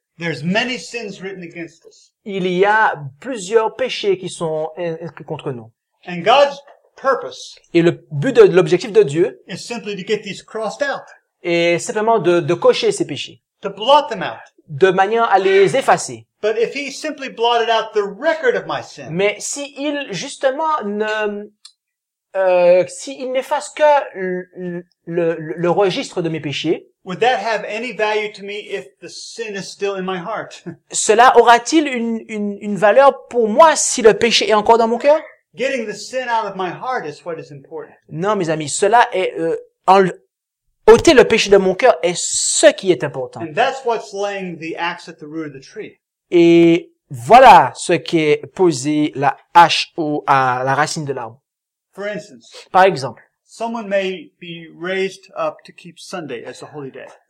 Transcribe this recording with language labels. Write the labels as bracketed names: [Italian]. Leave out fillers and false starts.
[English] There's many sins written against us. [French] Il y a plusieurs péchés qui sont inscrits contre nous. [English] And God's purpose. [French] Et le but de l'objectif de Dieu [English] is simply to get these crossed out. [French] Et simplement de cocher ces péchés. [English] To blot them out. [French] De manière à les effacer. [English] But if he simply blotted out the record of my sin. [French] Mais si il justement ne s'il n'efface que le registre de mes péchés, [English] would that have any value to me if the sin is still in my heart? [French] Cela aura-t-il une valeur pour moi si le péché est encore dans mon cœur? [English] Getting the sin out of my heart is what is important. [French] Non, mes amis, cela est ôter le péché de mon cœur est ce qui est important. [English] And that's what's laying the axe at the root of the tree. [French] Et voilà ce qui est posé la hache à la racine de l'arbre. [English] For instance, [French] par exemple, [English] someone may be raised up to keep Sunday as a holy day.